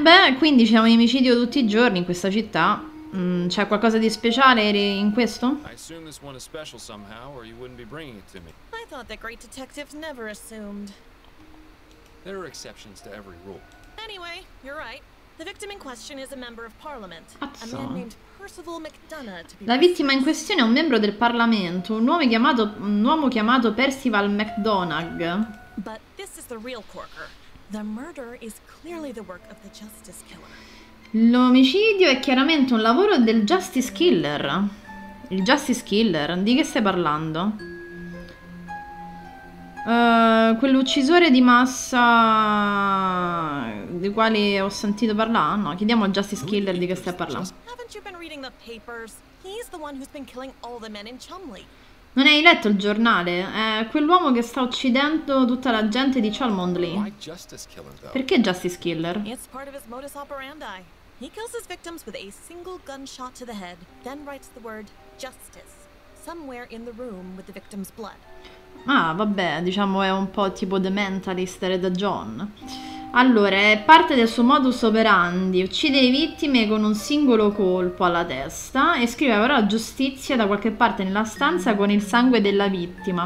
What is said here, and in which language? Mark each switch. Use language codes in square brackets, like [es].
[it] Beh, quindi c'è un omicidio tutti i giorni in questa città. C'è qualcosa di speciale in questo? [en] I assume this one is special somehow, or you wouldn't be bringing it to me. I thought that great detectives never assumed. There are exceptions to every rule. Anyway, you're right. The victim in question is a member of parliament. [it] Azzà. [en] A man named Percival McDonough, to be precise. [it] La vittima in questione è un membro del parlamento, un uomo chiamato Percival McDonough. [en] But this is the real corker. The murder is clearly the work of the justice killer. [it] L'omicidio è chiaramente un lavoro del Justice Killer. Il Justice Killer? Di che stai parlando? Quell'uccisore di massa di quale ho sentito parlare? No, chiediamo al Justice Killer di che stai parlando. [en] Haven't you been reading the papers? He's the one who's been killing all the men in Chumley. [it] Non hai letto il giornale? È quell'uomo che sta uccidendo tutta la gente di Cholmondeley. Perché Justice Killer? [en] It's part of his modus operandi. He kills his victims with a single gunshot to the head, then writes the word justice somewhere in the room with the victim's blood. [it] Ah, vabbè, diciamo è un po' tipo The Mentalist, Red John. Allora, è parte del suo modus operandi, uccide le vittime con un singolo colpo alla testa e scrive però giustizia da qualche parte nella stanza con il sangue della vittima.